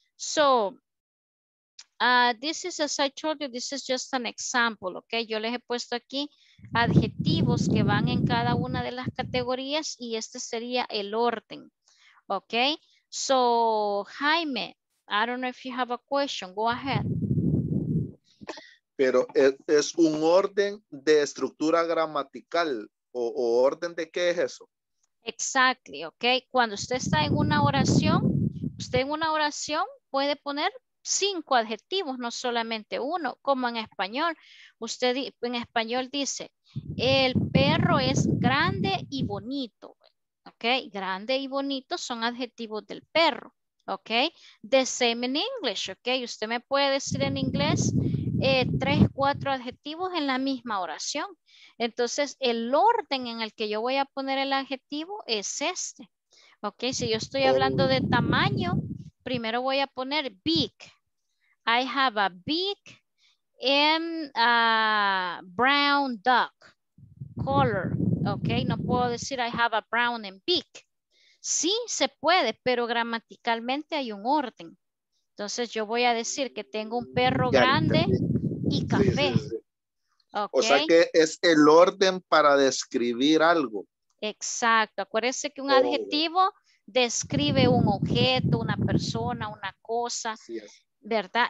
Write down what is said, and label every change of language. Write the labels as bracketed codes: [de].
[en] So, this is, as I told you, this is just an example, ok, [es] yo les he puesto aquí adjetivos que van en cada una de las categorías y este sería el orden, ok. [en] So, Jaime, I don't know if you have a question, go ahead. [es] Pero es un orden de estructura gramatical o orden de qué es eso. [en] Exactly, ok. [es] Cuando usted está en una oración, usted en una oración puede poner 5 adjetivos, no solamente uno, como en español. usted en español dice, el perro es grande y bonito. Ok, grande y bonito son adjetivos del perro. Ok, [en] the same in English. [es] Ok, usted me puede decir en inglés tres, cuatro adjetivos en la misma oración. Entonces, el orden en el que yo voy a poner el adjetivo es este. Ok, si yo estoy hablando de tamaño, primero voy a poner big. [en] I have a big and a brown dog color. [es] Ok, no puedo decir [en] I have a brown and big. [es] Sí, se puede, pero gramaticalmente hay un orden. Entonces yo voy a decir que tengo un perro grande y café. Okay. O sea que es el orden para describir algo. Exacto. Acuérdense que un adjetivo describe un objeto, una persona, una cosa. ¿Verdad?